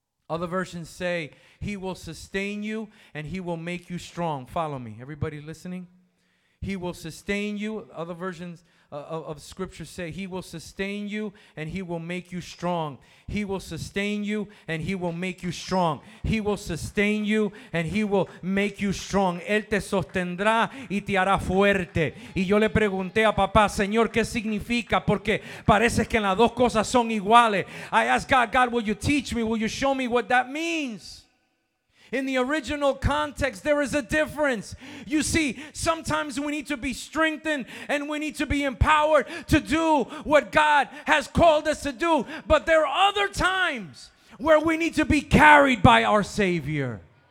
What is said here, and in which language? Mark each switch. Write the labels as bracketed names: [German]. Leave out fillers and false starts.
[English] Other versions say, he will sustain you and he will make you strong. Follow me. Everybody listening? He will sustain you. Other versions of scripture say, he will sustain you and he will make you strong. He will sustain you and he will make you strong. He will sustain you and he will make you strong. [Spanish] Él te sostendrá y te hará fuerte. Y yo le pregunté a papá, Señor, ¿qué significa? Porque parece que las dos cosas son iguales. [English] I asked God, God, will you teach me? Will you show me what that means? In the original context, there is a difference. You see, sometimes we need to be strengthened and we need to be empowered to do what God has called us to do. But there are other times where we need to be carried by our Savior.